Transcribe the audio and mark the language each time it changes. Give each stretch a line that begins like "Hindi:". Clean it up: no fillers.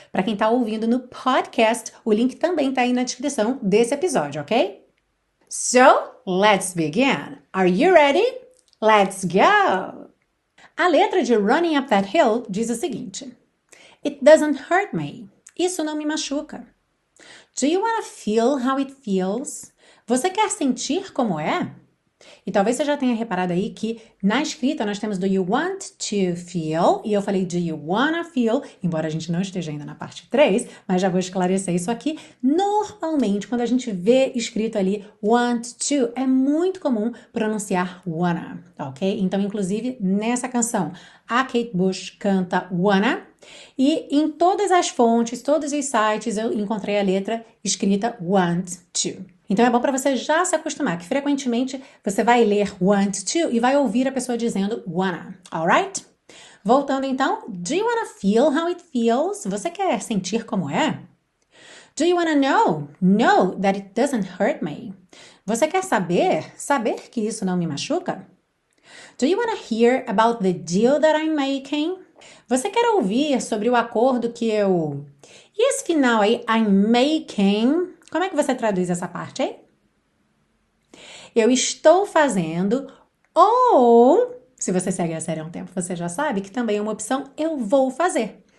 Portuguese: Para quem está ouvindo no podcast, o link também tá aí na descrição desse episódio, ok?
English: So, let's begin. Are you ready? Let's go!
Portuguese: A letra de Running Up That Hill diz o seguinte.
English: It doesn't hurt me.
Portuguese: Isso não me machuca.
English: Do you want to feel how it feels?
Portuguese: Você quer sentir como é? E talvez você já tenha reparado aí que na escrita nós temos
English: do you want to feel,
Portuguese: e eu falei
English: do you wanna feel,
Portuguese: embora a gente não esteja ainda na parte 3, mas já vou esclarecer isso aqui. Normalmente, quando a gente vê escrito ali
English: want to,
Portuguese: é muito comum pronunciar
English: wanna,
Portuguese: ok? Então, inclusive, nessa canção, a Kate Bush canta
English: wanna,
Portuguese: e em todas as fontes, todos os sites, eu encontrei a letra escrita
English: want to.
Portuguese: Então, é bom para você já se acostumar, que frequentemente você vai ler
English: want to
Portuguese: e vai ouvir a pessoa dizendo
English: wanna, alright?
Portuguese: Voltando então,
English: do you wanna feel how it feels?
Portuguese: Você quer sentir como é?
English: Do you wanna know that it doesn't hurt me?
Portuguese: Você quer saber que isso não me machuca?
English: Do you wanna hear about the deal that I'm making?
Portuguese: Você quer ouvir sobre o acordo que eu... E esse final aí,
English: I'm making...
Portuguese: Como é que você traduz essa parte, hein? Eu estou fazendo, ou, se você segue a série há um tempo, você já sabe que também é uma opção, eu vou fazer.